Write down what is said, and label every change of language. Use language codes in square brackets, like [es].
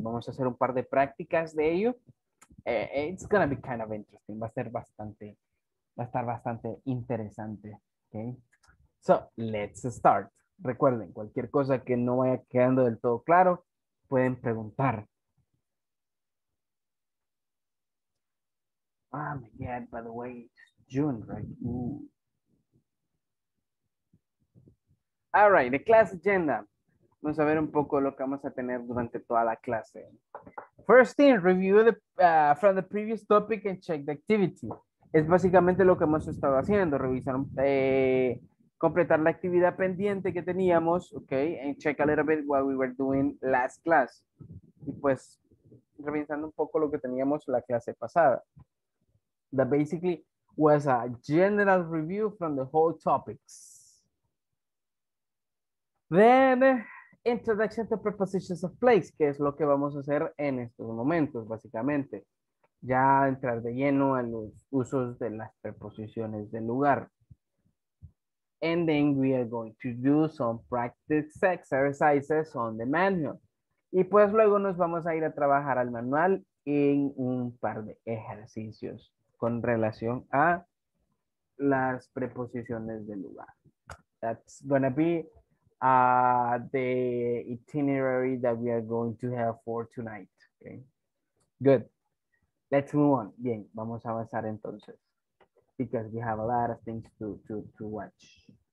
[es] Vamos a hacer un par de prácticas de ello. [en] It's gonna be kind of interesting. [es] Va a ser bastante, va a estar bastante interesante, ¿ok? [en] So, let's start. [es] Recuerden, cualquier cosa que no vaya quedando del todo claro, pueden preguntar. [en] Ah, oh my God, by the way, it's June, right? Ooh. All right, the class agenda. [es] Vamos a ver un poco lo que vamos a tener durante toda la clase. [en] First thing, review the, from the previous topic and check the activity. [es] Es básicamente lo que hemos estado haciendo, revisar un completar la actividad pendiente que teníamos, ok, [en] and check a little bit what we were doing last class. [es] Y pues, revisando un poco lo que teníamos la clase pasada. [en] That basically was a general review from the whole topics. Then, introduction to prepositions of place, [es] que es lo que vamos a hacer en estos momentos, básicamente. Ya entrar de lleno a los usos de las preposiciones del lugar. [en] And then we are going to do some practice exercises on the manual. [es] Y pues luego nos vamos a ir a trabajar al manual en un par de ejercicios con relación a las preposiciones de lugar. [en] That's going to be the itinerary that we are going to have for tonight. Okay. Good. Let's move on. [es] Bien, vamos a avanzar entonces. [en] Because we have a lot of things to watch.